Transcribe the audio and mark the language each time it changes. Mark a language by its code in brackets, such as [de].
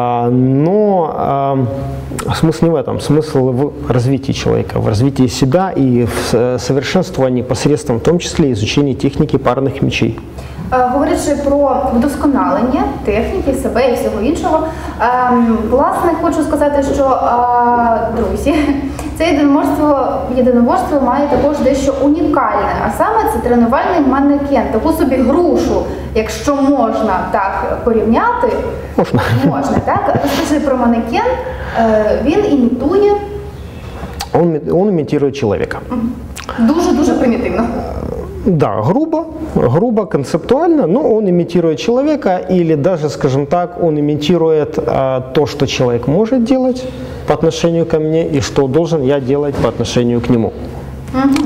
[ru] Но смысл не в этом, смысл в развитии человека, в развитии себя и в совершенствовании посредством, в том числе, изучения техники парных мечей. [uk] Говорячи про вдосконалення техніки, себе і всього іншого, власне, хочу сказати, що, друзі, це єдиноборство має також дещо унікальне, а саме це тренувальний манекен, таку собі грушу, якщо можна так порівняти. Можна. Можна, так? Розкажи про манекен, він імітує. [ru] Он имитирует человека. [uk] Дуже-дуже примітивно. [ru] Да, грубо, концептуально, но он имитирует человека, или даже, скажем так, он имитирует то, что человек может делать по отношению ко мне, и что должен я делать по отношению к нему. Угу.